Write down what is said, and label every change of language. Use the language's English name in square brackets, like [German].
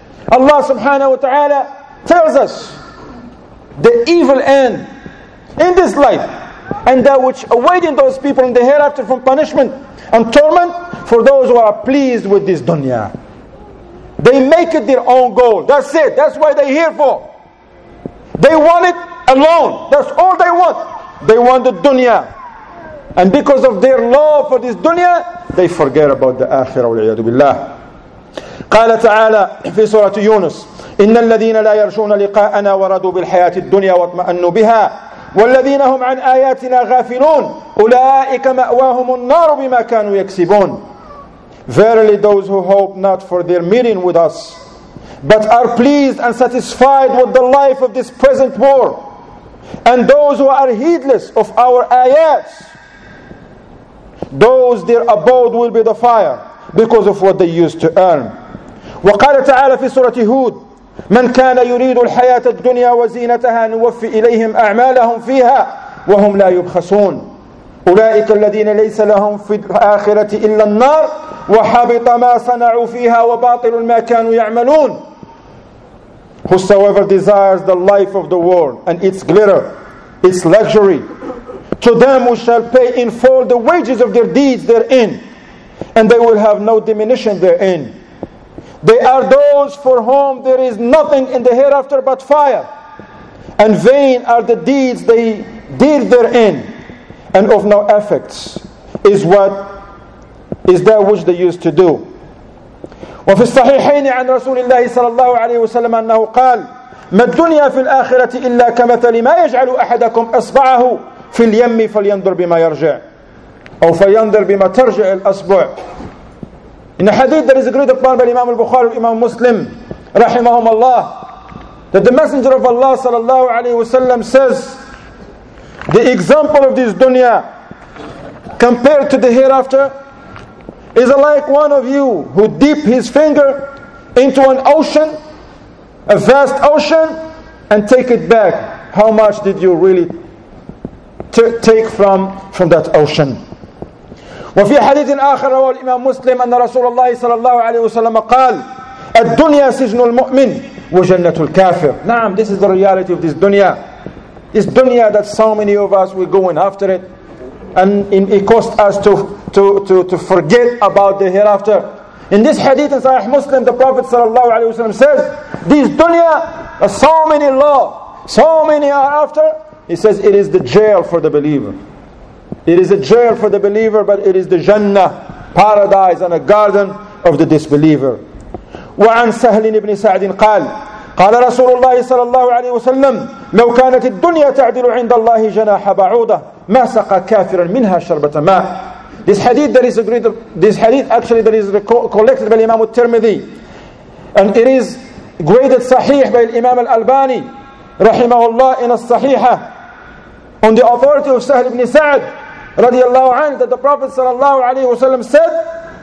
[English] Allah subhanahu wa ta'ala tells us the evil end in this life, and that which awaiting those people in the hereafter from punishment and torment for those who are pleased with this dunya. They make it their own goal. That's it. That's what they're here for. They want it alone. That's all they want. They want the dunya. And because of their love for this dunya, they forget about the akhirah, wal-iyadu billah. [Arabic] قال تعالى في سورة يونس: إن الذين لا يرجون لقاءنا ورضوا بالحياة الدنيا واطمأنوا بها والذين هم عن آياتنا غافلون أولئك مأواهم النار بما كانوا يكسبون. [English] Verily those who hope not for their meeting with us, but are pleased and satisfied with the life of this present world, and those who are heedless of our ayats, those their abode will be the fire because of what they used to earn. [Arabic] وقال تعالى في سورة هود: من كان يريد الحياة الدنيا وزينتها نوفي إليهم أعمالهم فيها وهم لا يبخسون أولئك الذين ليس لهم في الآخرة إلا النار وحبط ما صنعوا فيها وباطل ما كانوا يعملون. [English] Whosoever desires the life of the world and its glitter, its luxury, to them we shall pay in full the wages of their deeds therein, and they will have no diminution therein. They are those for whom there is nothing in the hereafter but fire, and vain are the deeds they did therein, and of no effects is what is that which they used to do. [Arabic] وفي الصحيحين عن رسول الله صلى الله عليه وسلم أنه قال ما الدنيا في الآخرة إلا كمثل ما يجعل أحدكم أصبعه في اليم فلينظر بما يرجع أو فلينظر بما ترجع الأصبع. [English] In a hadith that is agreed upon by Imam al-Bukhari and Imam Muslim, [Arabic] رحمهم الله, [English] that the Messenger of Allah [Arabic] صلى الله عليه وسلم [English] says, the example of this dunya compared to the hereafter is like one of you who dip his finger into an ocean, a vast ocean, and take it back. How much did you really take from that ocean? [Arabic] وفي حديث آخر رواه الإمام مسلم أن رسول الله صلى الله عليه وسلم قال الدنيا سجن المؤمن وجنة الكافر. [English] نعم, this is the reality of this dunya. This dunya that so many of us we're going after it, and it cost us to forget about the hereafter. In this hadith in Sahih Muslim, the Prophet sallallahu alaihi wasallam says, this dunya, so many law, so many hereafter, he says it is the jail for the believer. It is a jail for the believer, but it is the jannah, paradise and a garden of the disbeliever. [Arabic] وعن سهل بن سعد قال قال رسول الله صلى الله عليه وسلم لو كانت الدنيا تعدل عند الله جناح بعوضة ما سقى كافرا منها شربة ماء. [English] This hadith actually is collected by Imam al-Tirmidhi, and it is graded sahih by Imam al-Albani [Arabic] رحمه الله [English] in الصحيحة on the authority of سهل بن سعد [Arabic] رضي الله عنه, [English] that the Prophet [Arabic] صلى الله عليه وسلم [English] said,